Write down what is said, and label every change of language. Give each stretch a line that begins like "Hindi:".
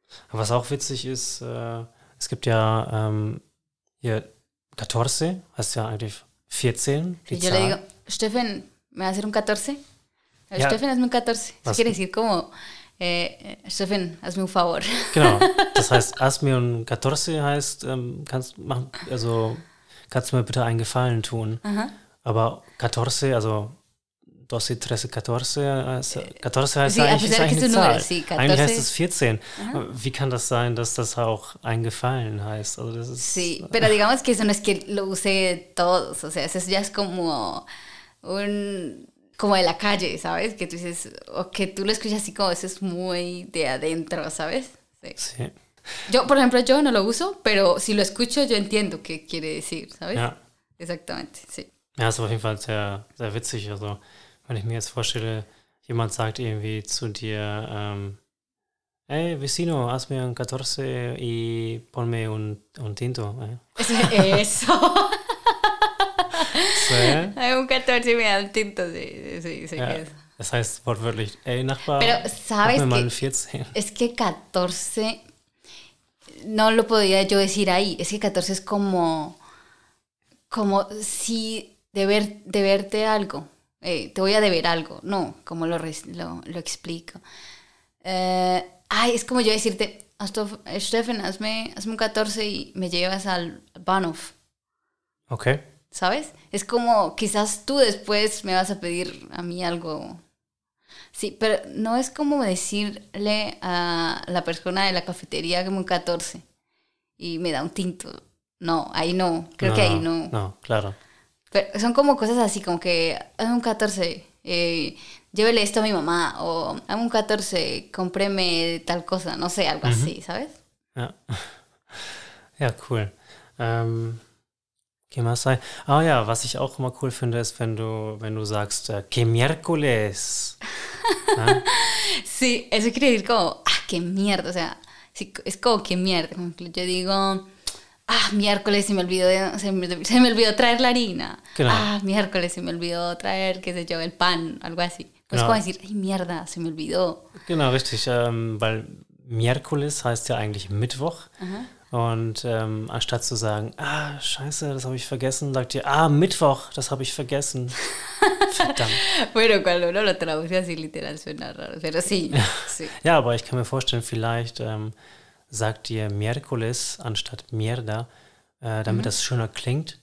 German: was auch witzig ist, es gibt ja hier 14, heißt ja eigentlich 14. Die
Spanish: yo
German: Zahl.
Spanish: Le digo, Steffen. ¿Me va a hacer un 14?
German: Ja.
Spanish: Steffen, hazme un 14. Eso quiere decir como, Steffen, haz mir un favor.
German: Genau, das heißt,
Spanish: hazme un 14
German: heißt, kannst du mir bitte einen Gefallen tun. Uh-huh. Aber 14, also 12, 13, 14, 14 heißt sí, eigentlich, ist eigentlich eine Zahl. Sí, eigentlich heißt es 14. Uh-huh. Wie kann das sein, dass das auch einen Gefallen heißt? Also das ist,
Spanish: sí, pero digamos que eso no es que lo use todos. O sea, eso ya es como un... como de la calle, ¿sabes? Que tú dices, o que tú lo escuchas así como, eso es muy de adentro, ¿sabes? Sí. Sí. Yo, por ejemplo, yo no lo uso, pero si lo escucho, yo entiendo qué quiere decir, ¿sabes? Ja. Exactamente, sí.
German: Ja, es ist auf jeden Fall sehr, sehr witzig. Also, wenn ich mir jetzt vorstelle, jemand sagt irgendwie zu dir, hey,
Spanish: vecino, hazme un 14 y ponme un tinto. Eso. Sí. Un 14 me da un tinto, sí, sí, sí.
German: Ja, das heißt wortwörtlich, ey, Nachbar,
Spanish: pero sabes hazme que,
German: mal un 14.
Spanish: Es que 14 no lo podría yo decir ahí. Es que 14 es como si deberte algo. Te voy a deber algo. No, como lo explico. Es como yo decirte, Steffen, hazme un 14 y me llevas al Bahnhof. Ok. ¿Sabes? Es como, quizás tú después me vas a pedir a mí algo. Sí, pero no es como decirle a la persona de la cafetería que me un 14 y me da un tinto. No, ahí no. Creo que ahí no. No, claro. Pero son como cosas así, como que hazme un 14, llévele esto a mi mamá, o hazme un 14, cómpreme tal cosa, no sé, algo así, ¿sabes? Ja, cool. ¿Qué más hay?
German: Ah, ja, was ich auch immer cool finde, ist, wenn du sagst,
Spanish: ¿qué miércoles? Sí, eso quiere decir como, ah, qué mierda, o sea, sí, es como qué mierda, como que yo digo, ah, miércoles se me olvidó traer la harina, claro. Ah, miércoles se me olvidó traer, qué sé yo, el pan, algo así, pues
German: genau.
Spanish: Como decir, ay, mierda, se me olvidó.
German: Genau, richtig, weil miércoles heißt ja eigentlich Mittwoch. Uh-huh. Und anstatt zu sagen, ah, scheiße, das habe ich vergessen, sagt ihr, ah, Mittwoch, das habe ich vergessen. Verdammt.
Spanish: Bueno, cuando uno lo traduce así literal suena raro, pero sí.
German: Ja, aber ich kann mir vorstellen, vielleicht sagt ihr Miércoles anstatt Mierda, damit das schöner klingt.